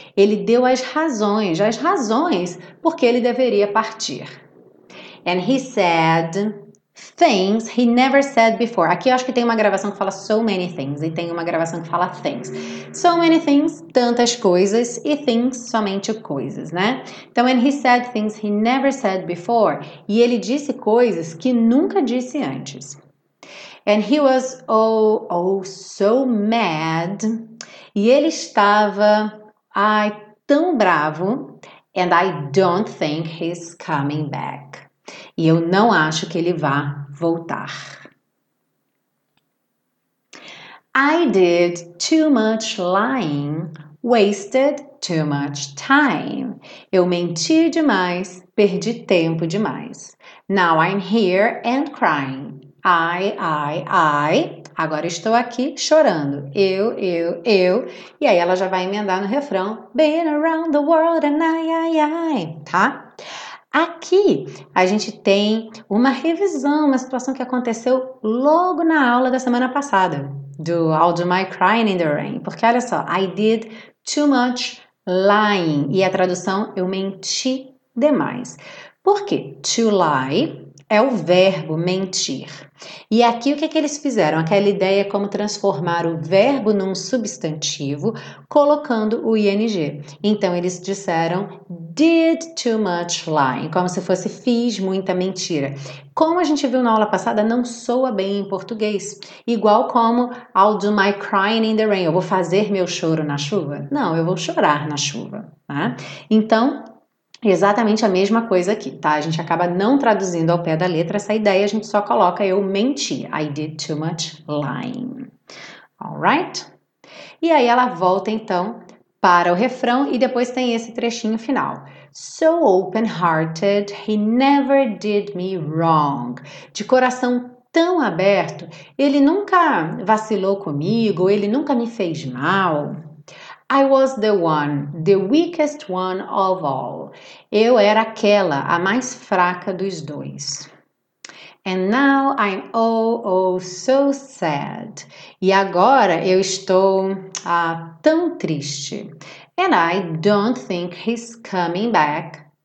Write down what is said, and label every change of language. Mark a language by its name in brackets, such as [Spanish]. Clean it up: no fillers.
[Portuguese] Ele deu as razões porque ele deveria partir. And he said, [English] Things he never said before. [Portuguese] Aqui eu acho que tem uma gravação que fala so many things e tem uma gravação que fala things. So many things, tantas coisas, e things, somente coisas, né? [English] Então, and he said things he never said before. [Portuguese] E ele disse coisas que nunca disse antes. [English] And he was so mad. [Portuguese] E ele estava, tão bravo. [English] And I don't think he's coming back. [Portuguese] E eu não acho que ele vá voltar. [English] I did too much lying, wasted too much time. [Portuguese] Eu menti demais, perdi tempo demais. [English] Now I'm here and crying. I. Agora estou aqui chorando. Eu. [Portuguese] E aí ela já vai emendar no refrão. [English] Been around the world and I. [Portuguese] Tá? Aqui a gente tem uma revisão, uma situação que aconteceu logo na aula da semana passada, do All Do My Crying in the Rain. Porque olha só, I did too much lying. E a tradução, eu menti demais. Por quê? To lie é o verbo mentir. E aqui o que é que eles fizeram? Aquela ideia como transformar o verbo num substantivo, colocando o ing. Então eles disseram did too much lying, como se fosse fiz muita mentira. Como a gente viu na aula passada, não soa bem em português. Igual como I'll do my crying in the rain, eu vou fazer meu choro na chuva? Não, eu vou chorar na chuva, tá? Então, exatamente a mesma coisa aqui, tá? A gente acaba não traduzindo ao pé da letra essa ideia, a gente só coloca eu menti. [English] I did too much lying. Alright? [Portuguese] E aí ela volta então para o refrão e depois tem esse trechinho final. [English] So open-hearted, he never did me wrong. [Portuguese] De coração tão aberto, ele nunca vacilou comigo, ele nunca me fez mal. [English] I was the one, the weakest one of all. [Portuguese] Eu era aquela, a mais fraca dos dois. [English] And now I'm so sad. [Portuguese] E agora eu estou tão triste. [English] And I don't think he's coming back.